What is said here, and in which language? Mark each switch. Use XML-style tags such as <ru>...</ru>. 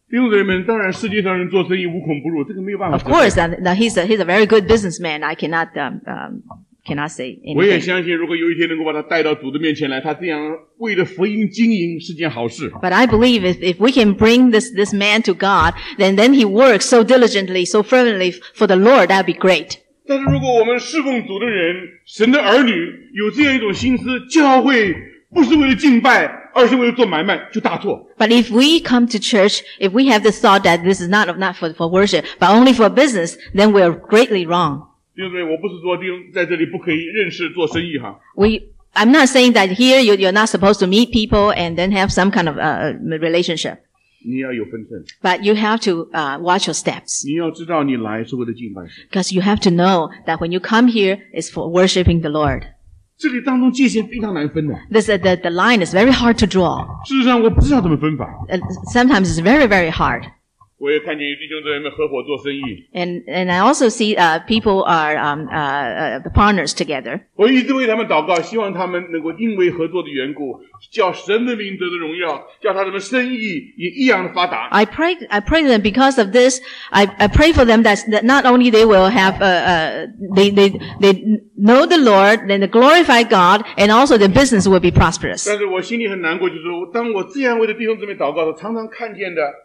<zh>弟兄姊妹，当然世界上人做生意无孔不入，这个没有办法。</zh> <en>Of course, now he's a very good businessman. I cannot, cannot say anything.</en> <zh>我也相信如果有一天能够把他带到主的面前来，他这样为了福音经营是件好事。</zh> <en>But I believe if we can bring this man to God, then he works so diligently, so fervently for the Lord, that'd be great.</en> <zh>但是如果我们侍奉主的人，神的儿女，有这样一种心思，教会不是为了敬拜，而是为了做买卖，就大错。</zh> <en>But if we come to church, if we have the thought that this is not for worship, but only for business, then we are greatly wrong.</en> <zh>弟兄姊妹，我不是说在这里不可以认识做生意哈。</zh> <en>I'm not saying that here you're not supposed to meet people and then have some kind of relationship.</en> <zh>你要有分寸。</zh> <en>But you have to watch your steps.</en> <zh>你要知道你来是为了敬拜神。</zh> <en>Because you have to know that when you come here is for worshiping the Lord.</en> <zh>这里当中界限非常难分的。</zh> <en>The line is very hard to draw.</en> <zh>事实上我不知道怎么分法。</zh> <en>Sometimes it's very, very hard.</en> <zh>我也看见弟兄在外面合伙做生意。</zh> <en>And I also see people are partners together.</en> <zh>我一直为他们祷告，希望他们能够因为合作的缘故，叫神的名得的荣耀，叫他们生意也一样的发达。</zh> <en>I pray to them because of this. I pray for them that not only they will have they know the Lord, then they glorify God, and also their business will be prosperous.</en> <zh>但是我心里很难过，就是当我这样为的弟兄姊妹祷告时，常常看见的。</zh>